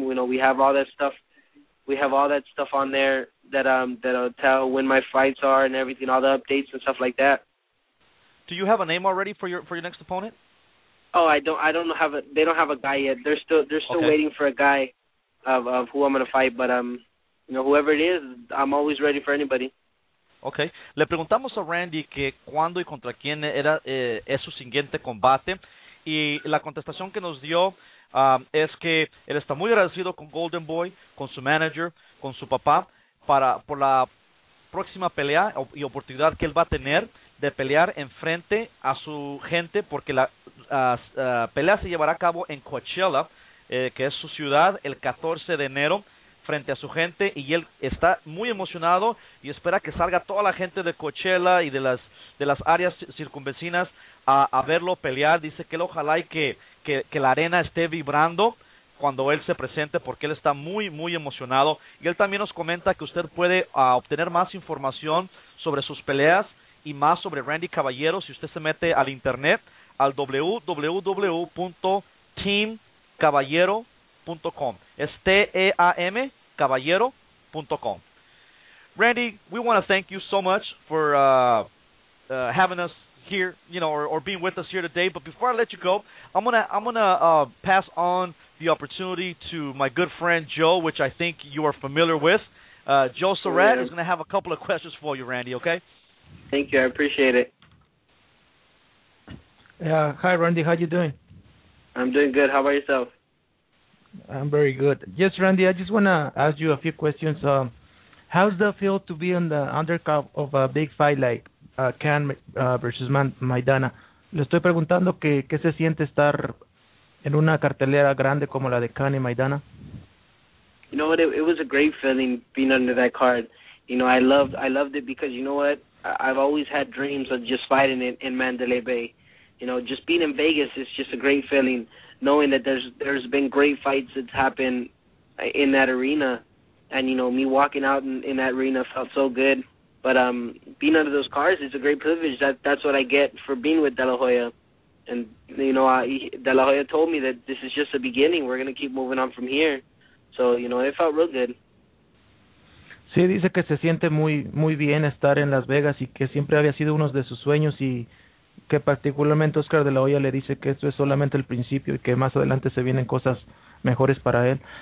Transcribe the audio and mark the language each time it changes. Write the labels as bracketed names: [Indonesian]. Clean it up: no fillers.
[English] You know, we have all that stuff. We have all that stuff on there that'll tell when my fights are and everything, all the updates and stuff like that. Do you have a name already for your next opponent? Oh, they don't have a guy yet. They're still waiting for a guy of who I'm going to fight. But, you know, whoever it is, I'm always ready for anybody. Okay. [Spanish] Le preguntamos a Randy que cuándo y contra quién era es su siguiente combate. Y la contestación que nos dio es que él está muy agradecido con Golden Boy, con su manager, con su papá, por la próxima pelea y oportunidad que él va a tener de pelear enfrente a su gente, porque la pelea se llevará a cabo en Coachella, que es su ciudad, el 14 de enero, frente a su gente, y él está muy emocionado y espera que salga toda la gente de Coachella y de las áreas circunvecinas a verlo pelear. Dice que él ojalá y que la arena esté vibrando cuando él se presente, porque él está muy, muy emocionado. Y él también nos comenta que usted puede obtener más información sobre sus peleas y más sobre Randy Caballero si usted se mete al internet, al www.teamcaballero.com. Es T-E-A-M, caballero.com. [English] Randy, we want to thank you so much for having us here, you know, or being with us here today. But before I let you go, I'm gonna pass on the opportunity to my good friend Joe, which I think you are familiar with. Joe Surratt is gonna have a couple of questions for you, Randy. Okay. Thank you. I appreciate it. Hi, Randy. How you doing? I'm doing good. How about yourself? I'm very good. Yes, Randy, I just want to ask you a few questions. How's the feel to be on the undercard of a big fight like Khan versus Maidana? [Spanish] Le estoy preguntando qué se siente estar en una cartelera grande como la de Khan y Maidana. [English] You know what? It was a great feeling being under that card. You know, I loved it because, you know what? I've always had dreams of just fighting in Mandalay Bay. You know, just being in Vegas is just a great feeling, knowing that there's been great fights that's happened in that arena. And, you know, me walking out in that arena felt so good. But being under those cars is a great privilege. That's what I get for being with De La Hoya. And, you know, De La Hoya told me that this is just the beginning. We're going to keep moving on from here. So, you know, it felt real good. [Spanish] Sí, dice que se siente muy, muy bien estar en Las Vegas y que siempre había sido uno de sus sueños y que particularmente Oscar De La Hoya le dice que esto es solamente el principio y que más adelante se vienen cosas mejores para él.